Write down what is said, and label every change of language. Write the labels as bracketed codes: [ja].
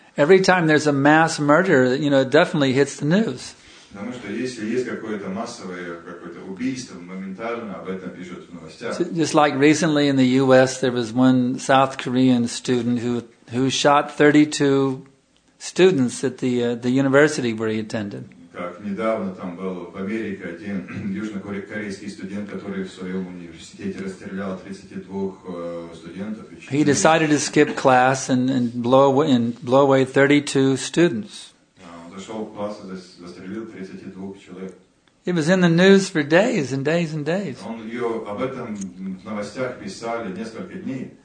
[en] Every time there's a mass murder, you know, it definitely hits the news. [ru] Потому что если есть какое-то массовое какое-то убийство, моментально об этом пишут в новостях. [en] So, just like recently in the US there was one South Korean student who shot 32 students at the university where he attended. [ru] Как недавно там был в Америке один южнокорейский студент, который в своем университете расстрелял 32 студентов. [en] He decided to skip class and blow away 32 students. [ru] Он зашел в класс и застрелил 32 человек. [en] It was in the news for days and days and days. [ru] Он ее об этом в новостях писали несколько дней.